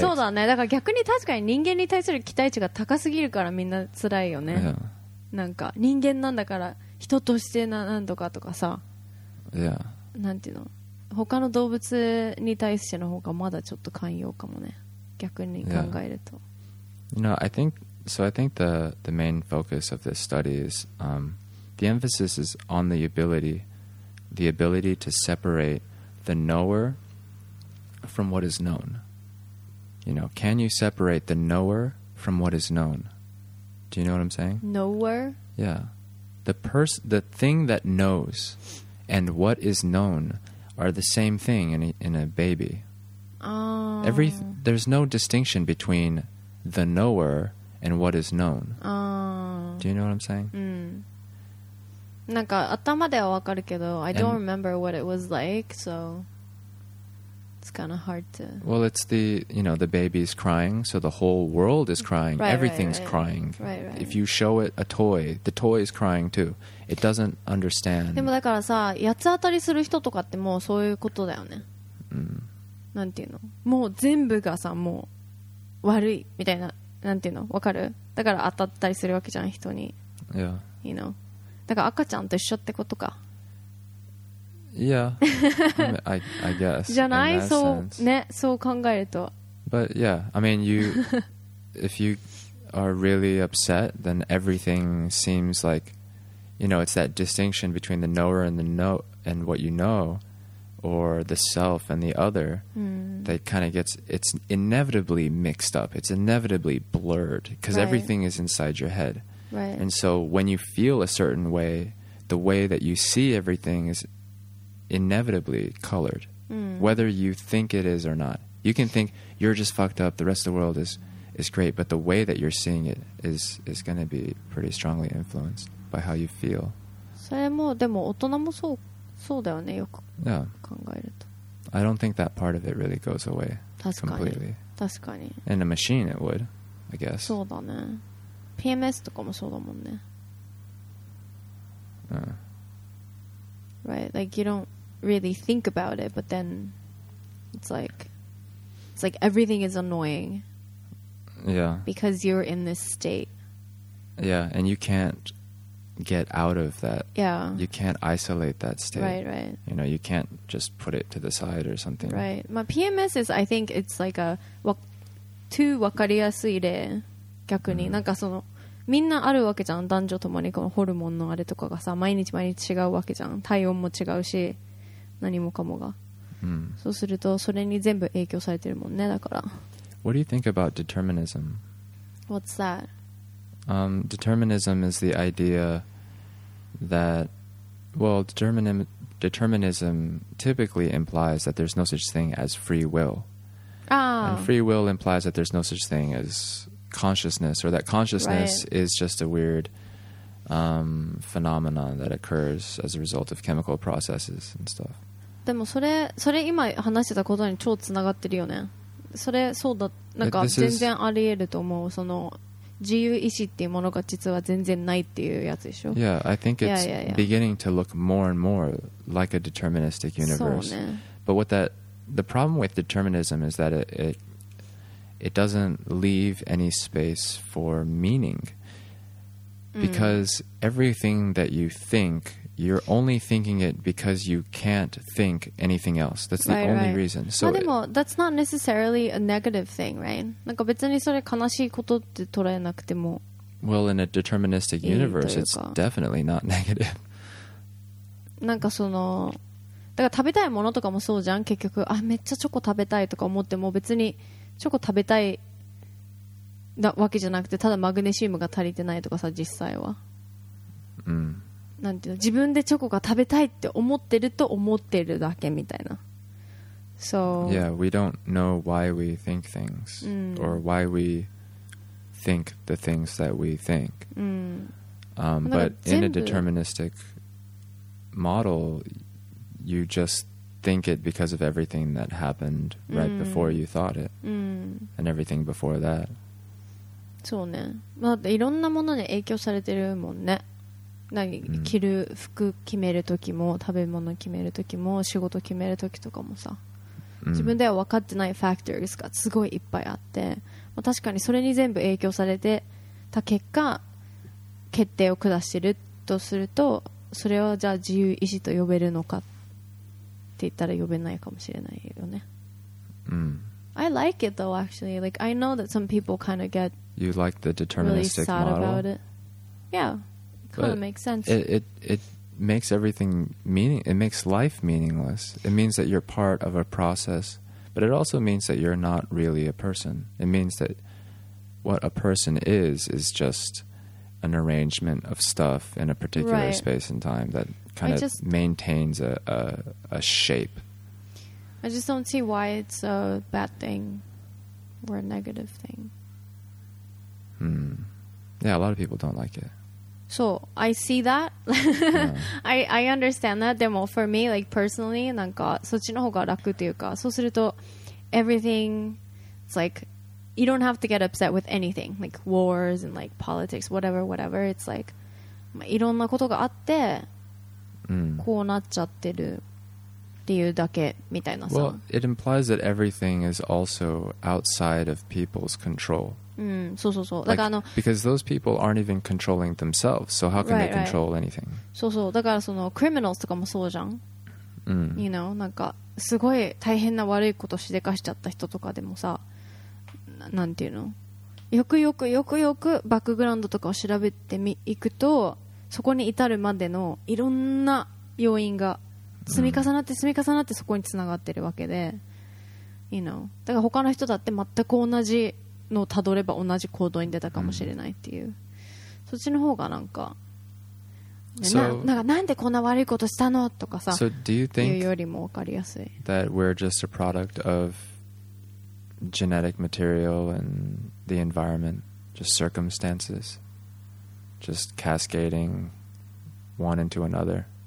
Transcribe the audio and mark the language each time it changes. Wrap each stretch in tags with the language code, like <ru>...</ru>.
<ja>そうだね。だから逆に確かに人間に対する期待値が高すぎるからみんな辛いよね。</ja> <en>Yeah.</en> <ja>なんか人間なんだから人としてなんとかとかさ。</ja> <en>Yeah.</en> <ja>なんていうの他の動物に対しての方がまだちょっと寛容かもね。逆に考えると。</ja> <en>Yeah. You know, I think so. I think the main focus of this study is the emphasis is on the ability to separate the knower from what is known. You know, can you separate the knower from what is known? Do you know what I'm saying? Knower? Yeah. The thing that knows and what is known are the same thing in a baby. Oh. There's no distinction between the knower and what is known. Oh. Do you know what I'm saying?</en> <ja>なんか頭ではわかるけど</ja> <en>I don't remember what it was like, so it's kind of hard to... Well, it's the, you know, the baby's crying, so the whole world is crying. Right, everything's right, right. crying. Right, right. If you show it a toy, the toy is crying too. It doesn't understand.</en> <ja>でもだからさ、八つ当たりする人とかってもうそういうことだよね。なんていうの？もう全部がさ、もう悪いみたいな、なんていうの？わかる？だから当たったりするわけじゃん、人に。</ja> <en>Yeah. You know?</en> <ja>だから赤ちゃんと一緒ってことか。</ja> <en>Yeah, I guess.</en> <ja>じゃない？そうね、そう考えると。</ja> <en>But yeah, I mean, you, if you are really upset, then everything seems like, you know, it's that distinction between the knower and the know and what you know, or the self and the other. That kind of gets it's inevitably mixed up. It's inevitably blurred because everything is inside your head. Right. And so when you feel a certain way, the way that you see everything is inevitably colored, whether you think it is or not. You can think you're just fucked up, the rest of the world is great, but the way that you're seeing it is going to be pretty strongly influenced by how you feel.</en> <ja>それもでも大人もそうだよね、よく考えると。</ja> <en>I don't think that part of it really goes away completely.</en> <ja>確かに。</ja> <en>In a machine it would, I guess.</en> <ja>そうだね。PMS とかもそうだもんね。</ja> <en>Right, like you don't really think about it, but then it's like everything is annoying. Yeah. Because you're in this state. Yeah, and you can't get out of that. Yeah. You can't isolate that state. Right, right. You know, you can't just put it to the side or something. Right. My PMS is, I think it's like a too</en> <ja>分かりやすい例。逆に、なんかそのみんなあるわけじゃん、男女ともにこのホルモンのあれとかがさ、毎日毎日違うわけじゃん、体温も違うし何もかもが、そうするとそれに全部影響されてるもんね。だから</ja> <en>What do you think about determinism? What's that? Determinism is the idea that well, determinism typically implies that there's no such thing as free will. And free will implies that there's no such thing asconsciousness or that consciousness is just a weird phenomenon that occurs as a result of chemical processes and stuff.</en> <ja>でもそれ今話してたことに超つながってるよね。それそうだ、なんか全然あり得ると思う。その自由意志っていうものが実は全然ないっていうやつでしょ。</ja> <en>Yeah, I think it's beginning to look more and more like a deterministic universe.</en> <ja>そうね。</ja> <en>But the problem with determinism is that it doesn't leave any space for meaning because everything that you think, you're only thinking it because you can't think anything else. That's the only reason. So でも that's not necessarily a negative thing, right?</en> <ja>なんか別にそれ悲しいことって捉えなくても。</ja> <en>Well, in a deterministic universe, it's definitely not negative.</en> <ja>なんかそのだから食べたいものとかもそうじゃん。結局あめっちゃチョコ食べたいとか思っても別にチョコ食べたいわけじゃなくてただマグネシウムが足りてないとかさ実際は、なんていうの自分でチョコが食べたいって思ってると思ってるだけみたいな。</ja> <en>So yeah, we don't know why we think things or why we think the things that we think. But in a deterministic model, you justThink it because of everything that happened right before you thought it, and everything before that.</en> <ja>そうね。まあ、いろんなものに影響されてるもんね。なんか着る服決めるときも、食べ物決めるときも、仕事決めるときとかもさ、自分では分かってないファクターがすごいいっぱいあって、まあ、確かにそれに全部影響されてた結果、決定を下してるとすると、それをじゃあ自由意志と呼べるのか。って言ったら呼べないかもしれないよね。</ja> <en>I like it though, actually. Like, I know that some people kind of get you like the deterministic really sad model? About it. Yeah, kind of makes sense. It makes everything meaning. It makes life meaningless. It means that you're part of a process But it also means that you're not really a person. It means that what a person is just an arrangement of stuff in a particular right. space and time that kind of maintains a shape. I just don't see why it's a bad thing or a negative thing. Hmm. Yeah, a lot of people don't like it. So I see that. Yeah. I understand that. But for me, like personally, everything, it's like you don't have to get upset with anything, like wars and like politics, whatever, whatever. It's like,</en> <ja>いろんなことがあって、こうなっちゃってるっていうだけみたいなさ。</ja> <en>Well, it implies that everything is also outside of people's control.</en> <ja>そうそうそう。だからあの、</ja> <en>because those people aren't even controlling themselves, so how can they control anything?</en> <ja>そうそう。だからその criminals とかもそうじゃん。</ja> <en>You know,</en> <ja>なんかすごい大変な悪いことしでかしちゃった人とかでもさ。なんていうの、よくよくよくよくバックグラウンドとかを調べてみいくと、そこに至るまでのいろんな要因が積み重なって積み重なってそこにつながってるわけで、</ja> <en>you know?</en> <ja>だから他の人だって全く同じのをたどれば同じ行動に出たかもしれないっていう、そっちの方がなんか、</ja> <en>so,</en> <ja>なんでこんな悪いことしたのとかさ、</ja> <en>so、do you think</en> <ja>いうよりも分かりやすい</ja> <en>that we're just a product ofgenetic material and the environment, just circumstances, just cascading one into another.</en>